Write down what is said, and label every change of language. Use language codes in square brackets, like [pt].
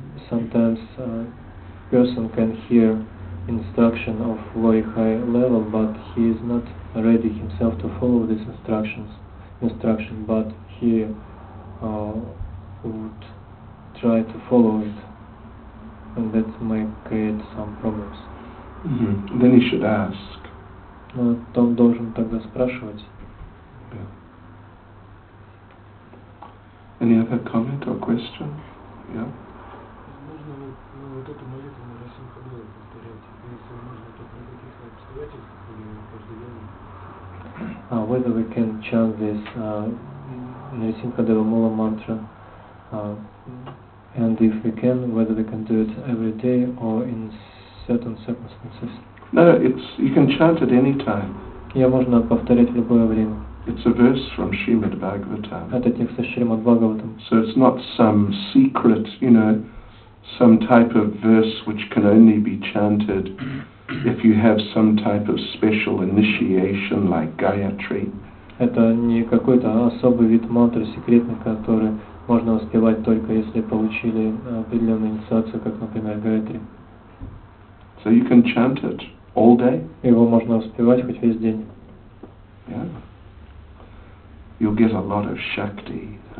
[en] Sometimes a person can hear instruction of very high level, but he is not ready himself to follow these instruction, but he would try to follow it, and that might create some problems. Mm-hmm. Then he should ask. [ru] Но он должен тогда спрашивать. [en] Yeah. Any other comment or question? Yeah. [ru] Можно вот эту молитву на Расимхабилу повторять? Если можно, то при каких обстоятельствах или каждый день? [en] Whether we can chant this Расимхабилу Мула Мантра, and if we can, whether we can do it every day or in certain circumstances. No, it's you can chant at any time. [ru] Я можно повторять в любое время. [en] It's a verse from Shrimad Bhagavatam. [ru] Это текст из Шримад Бхагаватам. [en] So it's not some secret, you know, some type of verse which can only be chanted if you have some type of special initiation like Gayatri. [ru] Это не какой-то особый вид мантры секретный, который можно воспевать только если получили определенную инициацию, как, например, Гаятри. [en] So you can chant it all day. [ru] Его можно воспевать хоть весь день. [en] Yeah. You'll get a lot of shakti.